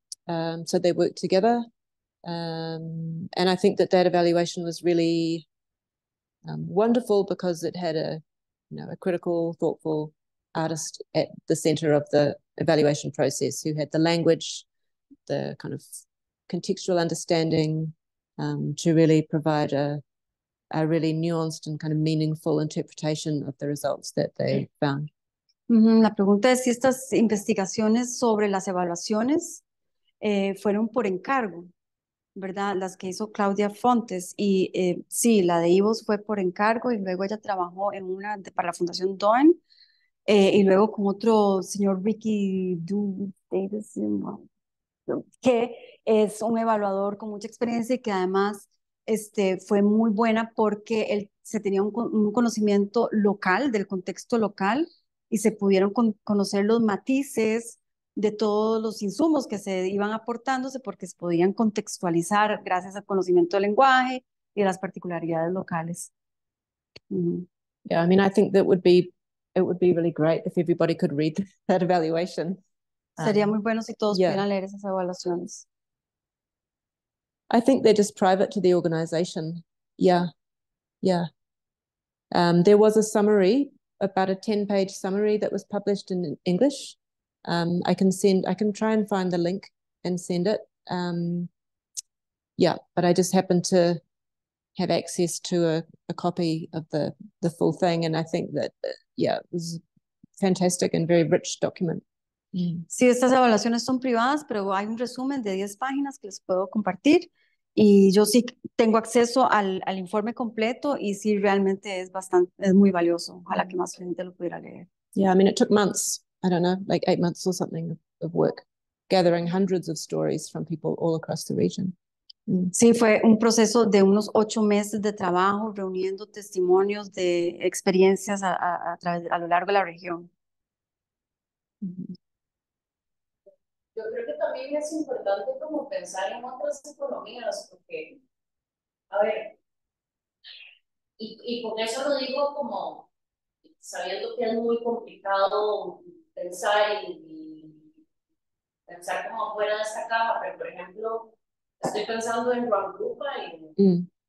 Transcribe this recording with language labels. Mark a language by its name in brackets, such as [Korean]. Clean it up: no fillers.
[English] So they worked together. And I think that evaluation was really wonderful because it had a critical, thoughtful artist at the center of the evaluation process who had the language, the kind of contextual understanding to really provide a really nuanced and kind of meaningful interpretation of the results that they found. [Spanish] La pregunta es si estas investigaciones sobre las evaluaciones fueron por encargo, ¿verdad? Las que hizo Claudia Fontes. Y sí, la de Ivos fue por encargo y luego ella trabajó en una para la Fundación Doen y luego con otro señor Ricky Davidson, que es un evaluador con mucha experiencia y que además fue muy buena porque él se tenía un conocimiento local, del contexto local, y se pudieron conocer los matices de todos los insumos que se iban aportándose porque se podían contextualizar gracias al conocimiento del lenguaje y de las particularidades locales. [English] Yeah, I mean, I think that would be really great if everybody could read that evaluation. [Spanish] Sería muy bueno si todos pudieran leer esas evaluaciones. [English] I think they're just private to the organization. Yeah, yeah. There was a summary, about a 10-page summary that was published in English. I can try and find the link and send it. But I just happened to have access to a copy of the full thing. And I think that, it was a fantastic and very rich document. [Spanish] Sí, estas evaluaciones son privadas, pero hay un resumen de 10 páginas que les puedo compartir. Y yo sí tengo acceso al informe completo y sí, realmente es muy valioso. Ojalá que más gente lo pudiera leer. [English] Yeah, I mean, it took months. I don't know, like 8 months or something of work, gathering hundreds of stories from people all across the region. [Spanish] Sí, fue un proceso de unos 8 meses de trabajo reuniendo testimonios de experiencias a lo largo de la región. Yo creo que también es importante como pensar en otras economías, porque, a ver, y con eso lo digo como sabiendo que es muy complicado pensar y pensar como fuera de esta caja, pero por ejemplo, estoy pensando en Rangrupa en